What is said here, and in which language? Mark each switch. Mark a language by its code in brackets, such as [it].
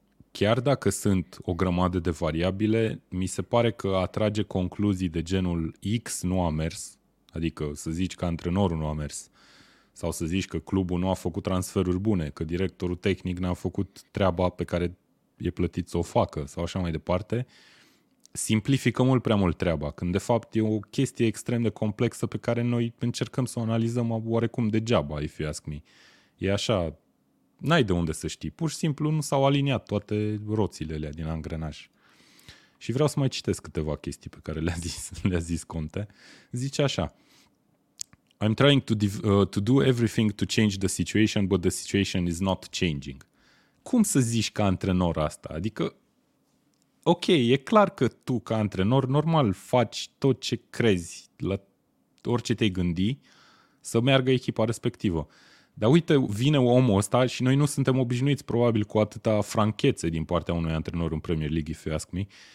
[ro] chiar dacă sunt o grămadă de variabile, mi se pare că atrage concluzii de genul X nu a mers, adică să zici că antrenorul nu a mers, sau să zici că clubul nu a făcut transferuri bune, că directorul tehnic n-a făcut treaba pe care e plătit să o facă, sau așa mai departe, simplifică mult prea mult treaba, când de fapt e o chestie extrem de complexă pe care noi încercăm să o analizăm oarecum degeaba, [en] if you ask me. [ro] E așa, n-ai de unde să știi, pur și simplu nu s-au aliniat toate roțile alea din angrenaj. Și vreau să mai citesc câteva chestii pe care le-a zis Conte. Zice așa: [en] I'm trying to do everything to change the situation, but the situation is not changing. [ro] Cum să zici ca antrenor asta? Adică, ok, e clar că tu ca antrenor normal faci tot ce crezi, la orice te-ai gândi, să meargă echipa respectivă. Dar uite, vine omul ăsta și noi nu suntem obișnuiți probabil cu atâta franchețe din partea unui antrenor în Premier League, [en] if you ask me.